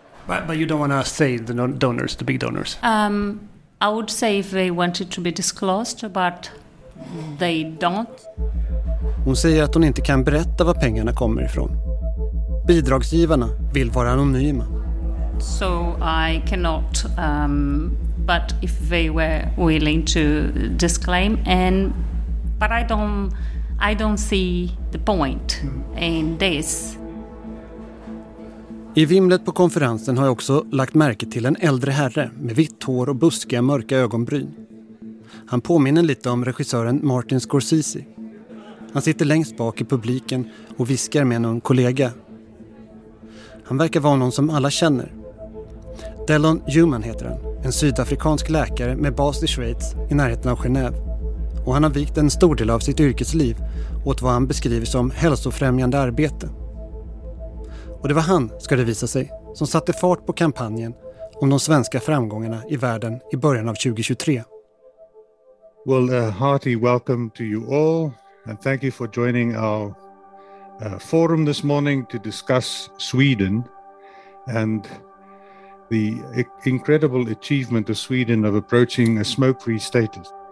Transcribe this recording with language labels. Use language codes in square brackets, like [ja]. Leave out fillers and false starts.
[en] But you don't want to say the donors, the big donors? I would say if they wanted to be disclosed, but they don't. [sv] Hon säger att hon inte kan berätta var pengarna kommer ifrån. Bidragsgivarna vill vara anonyma. [en] So I cannot, but if they were willing to disclaim, and but I don't see the point in this. [sv] I vimlet på konferensen har jag också lagt märke till en äldre herre med vitt hår och buskiga mörka ögonbryn. Han påminner lite om regissören Martin Scorsese. Han sitter längst bak i publiken och viskar med någon kollega. Han verkar vara någon som alla känner. Dellon Human heter han. En sydafrikansk läkare med bas i Schweiz i närheten av Genève. Och han har vikt en stor del av sitt yrkesliv åt vad han beskriver som hälsofrämjande arbete. Och det var han, ska det visa sig, som satte fart på kampanjen om de svenska framgångarna i världen i början av 2023. [en] Well, a hearty welcome to you all and thank you for joining our forum this morning to discuss Sweden and the incredible achievement of Sweden of approaching a smoke-free status.